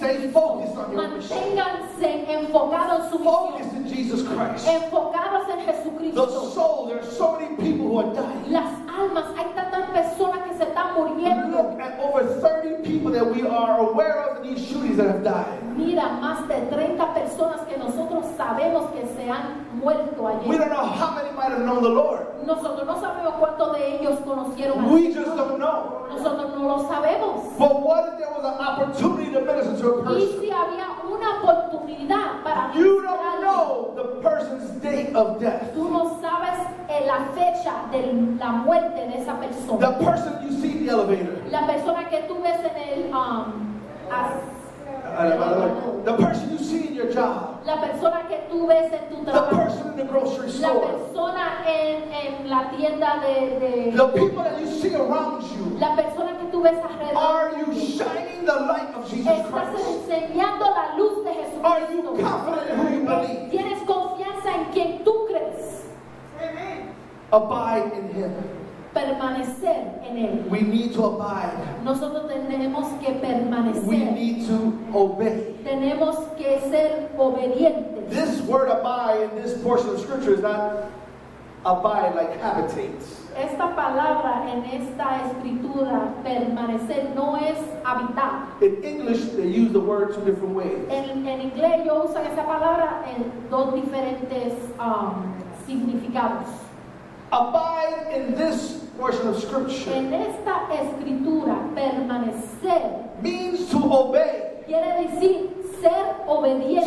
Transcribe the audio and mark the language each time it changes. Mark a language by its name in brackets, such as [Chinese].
[English] Stay focused on your mission. [Spanish] Manténganse enfocados en su misión. [English] Focus in Jesus Christ. [Spanish] Enfocados en Jesucristo. [English] The soul. There are so many people who are dying. [Spanish] Las almas. Hay tantas personas que se están muriendo. [English] Look at over 30 people that we are aware of in these shootings that have died. [Spanish] Mira más de 30 personas que nosotros sabemos que se han muerto ayer. [English] We don't know how many might have known the Lord. [Spanish] Nosotros no sabemos cuántos de ellos conocieron al Señor. [English] We just don't know. [Spanish] Nosotros no lo sabemos. [English] But what if there was an opportunity to minister to a person? [Spanish] Y si había una oportunidad para [English] you don't know the person's date of death. [Spanish] Tú no sabes la fecha de la muerte de esa persona. [English] The person you see in the elevator. [Spanish] La persona que tú ves en el [English] the person you see in your job. [Spanish] La persona que tú ves en tu trabajo. [English] The person in the grocery store. [Spanish] La persona en la tienda de [English] the people that you see around you. [Spanish] La persona que tú ves alrededor. [English] Are you shining the light of Jesus Christ? [Spanish] ¿Estás encendiendo la luz de Jesucristo? [English] Are you confident in who you believe? [Spanish] ¿Tienes confianza en quien tú crees? [English] Abide in Him. [Spanish] Permanecer en él. [English] We need to abide. [Spanish] Nosotros tenemos que permanecer. [English] We need to obey. [Spanish] Tenemos que ser obedientes. [English] This word abide in this portion of scripture is not abide like habitates. [Spanish] Esta palabra en esta escritura, permanecer, no es habitar. [English] In English, they use the word two different ways. [Spanish] En inglés, yo uso esa palabra en dos diferentes significados. [English] Abide in this portion of scripture. [Spanish] En esta escritura, permanecer [English] means to obey. [Spanish] Quiere decir ser obediente.